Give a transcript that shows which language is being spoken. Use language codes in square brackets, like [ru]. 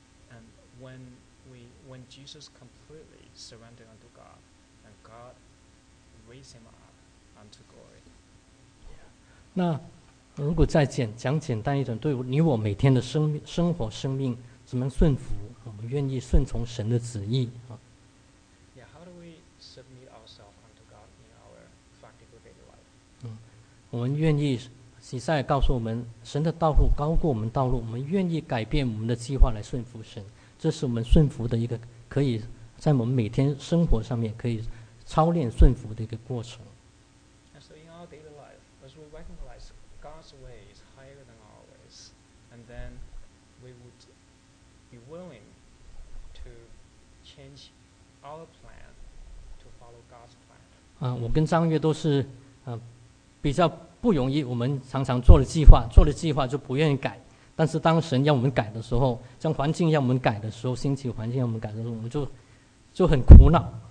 [en] And when Jesus completely surrendered unto God, and God raised him up unto glory. [zh] 那如果再简单一点，对你我每天的生活生命，怎么顺服？我们愿意顺从神的旨意 [en] Yeah, how do we submit ourselves unto God in our practical daily life? [zh] 我们愿意。以赛亚告诉我们神的道路高过我们道路，我们愿意改变我们的计划来顺服神，这是我们顺服的一个可以在我们每天生活上面可以操练顺服的一个过程。 [en] And so in our daily life as we recognize God's way is higher than our ways and then we would be willing to change our plan to follow God's plan. [zh] 我跟张悦都是比较不容易，我们常常做了计划，做了计划就不愿意改，但是当神要我们改的时候，将环境要我们改的时候，心情环境要我们改的时候，我们就很苦恼。